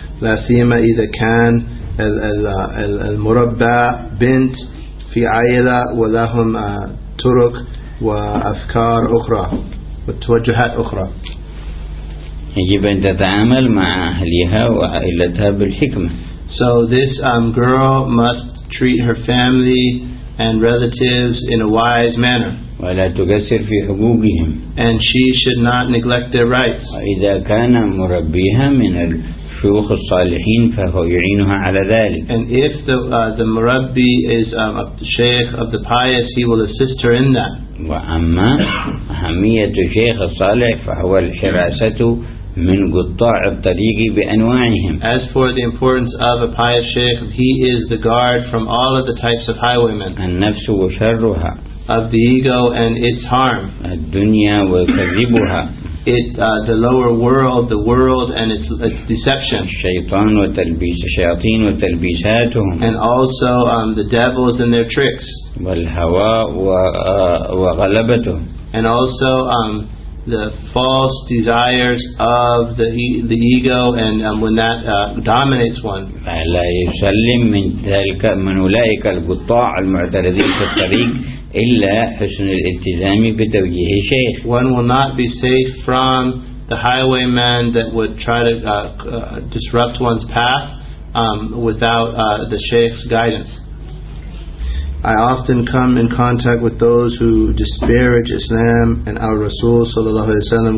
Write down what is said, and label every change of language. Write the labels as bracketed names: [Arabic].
[Arabic] لا سيما إذا كان المربع بنت في عائلة ولهم طرق وأفكار أخرى وتوجهات أخرى. يجب أن تتعامل مع أهلها وعائلتها بالحكمة. [English] So this girl must treat her family and relatives in a wise manner. [Arabic] ولا تقصر في حقوقهم. [English] And she should not neglect their rights. [Arabic] إذا كان مربيها من الشيوخ الصالحين فهو يعينها على ذلك. [English] And if the murabbi is the sheikh of the pious, he will assist her in that. [Arabic] وأما أهمية الشيخ الصالح فهو الحراسة من قطاع الطريق بأنواعهم. [English] As for the importance of a pious sheikh, he is the guard from all of the types of highwaymen. [Arabic] النفس وشرها. [English] Of the ego and its harm. [Arabic] الدنيا وكذبها. [English] The lower world, the world and its deception. [Arabic] الشيطان وتلبيس الشياطين وتلبيساتهم. [English] And also the devils and their tricks. [Arabic] والهوى وغلبته. [English] And also the false desires of the ego and when that dominates one. [Arabic] لا يسلم من ذلك من أولئك القطاع المعترضين في الطريق. إلا حسن الالتزام بتوجيه الشيخ. [English] One will not be safe from the highwayman that would try to disrupt one's path without the sheikh's guidance. I often come in contact with those who disparage Islam and our Rasul [Arabic] sallallahu alaihi wasallam.